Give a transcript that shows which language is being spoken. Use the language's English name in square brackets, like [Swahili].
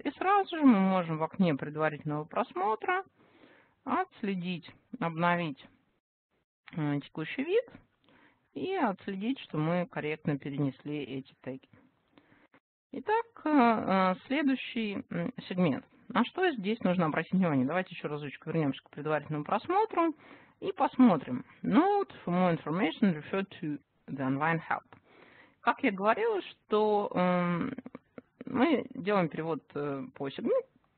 [Russian] И сразу же мы можем в окне предварительного просмотра отследить, обновить текущий вид и отследить, что мы корректно перенесли эти теги. Итак, следующий сегмент. На что здесь нужно обратить внимание? Давайте еще разочек вернемся к предварительному просмотру и посмотрим. [English] Note, for more information, refer to the online help. [Russian] Как я говорила, что мы делаем перевод по сегментам.